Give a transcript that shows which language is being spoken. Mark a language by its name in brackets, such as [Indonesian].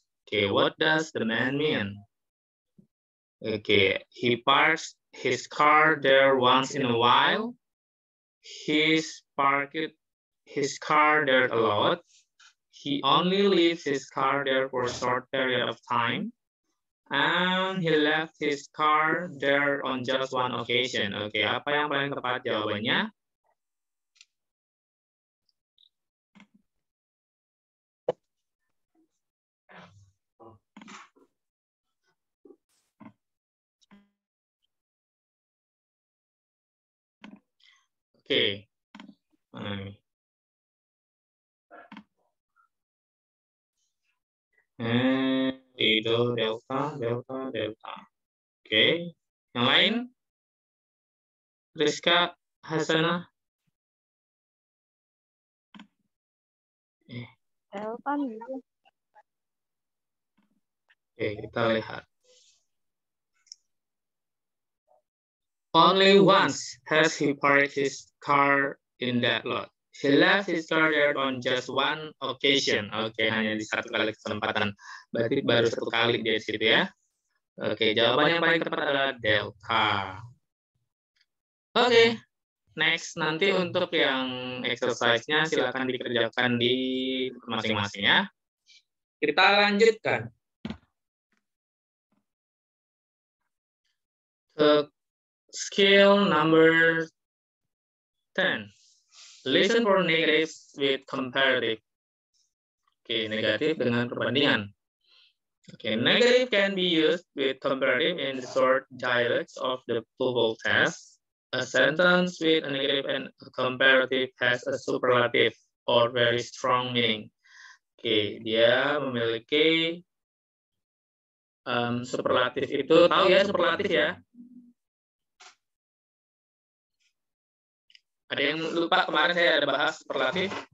[English] Okay, what does the man mean? Okay, he parks his car there once in a while. He's parked his car there a lot. He only leaves his car there for a short period of time. And he left his car there on just one occasion. [Indonesian] Okay, apa yang paling tepat jawabannya? Oke, okay. Rido Delta. Oke, okay. Yang lain, Rizka Hasana. Delta. Oke, okay, kita lihat. [English] Only once has he parked his car in that lot. He left his car there on just one occasion. [Indonesian] Okay, hanya di satu kali kesempatan. Berarti baru satu kali dia di situ ya. Okay, jawaban yang paling tepat adalah Delta. [English] Okay, next. [Indonesian] Nanti untuk yang exercise-nya silakan dikerjakan di masing-masing ya. Kita lanjutkan. [English] Skill number 10. Listen for negative with comparative. Okay, negative [Indonesian] dengan perbandingan. [English] Okay, negative can be used with comparative in the short dialects of the TOEFL test. A sentence with a negative and a comparative has a superlative. or very strong meaning. [Indonesian] Oke, dia memiliki superlatif itu, tahu ya superlatif ya? Ada yang lupa kemarin saya ada bahas superlatif?